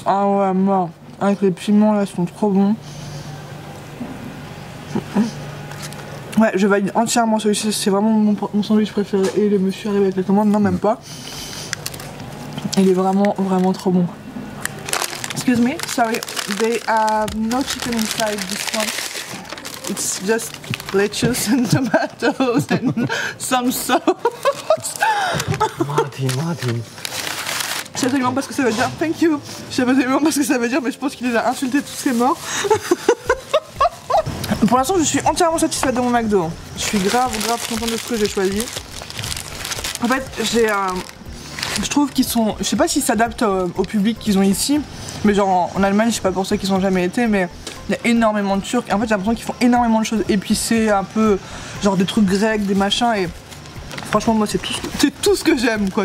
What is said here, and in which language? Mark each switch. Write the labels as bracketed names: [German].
[French] Ah, ouais, mort. Avec les piments là, ils sont trop bons. Ouais, je valide entièrement celui-ci. C'est vraiment mon sandwich préféré. Et le monsieur arrive avec la commande. Non, même pas. Il est vraiment, vraiment trop bon. [English] Excuse me, sorry. They have no chicken inside this one. It's just lettuce and tomatoes and some sauce. Martin. [French] Je sais pas parce que ça veut dire [English] thank you. [French] Je sais pas tellement parce que ça veut dire, mais je pense qu'il les a insultés tous ces morts. Pour l'instant, je suis entièrement satisfaite de mon McDo. Je suis grave, grave contente de ce que j'ai choisi. En fait, j'ai je trouve qu'ils sont... Je sais pas s'ils s'adaptent au public qu'ils ont ici, mais genre en Allemagne, je sais pas pour ceux qui sont jamais été, mais il y a énormément de Turcs. En fait, j'ai l'impression qu'ils font énormément de choses épicées, un peu genre des trucs grecs, des machins, et franchement, moi, c'est tout ce que j'aime, quoi.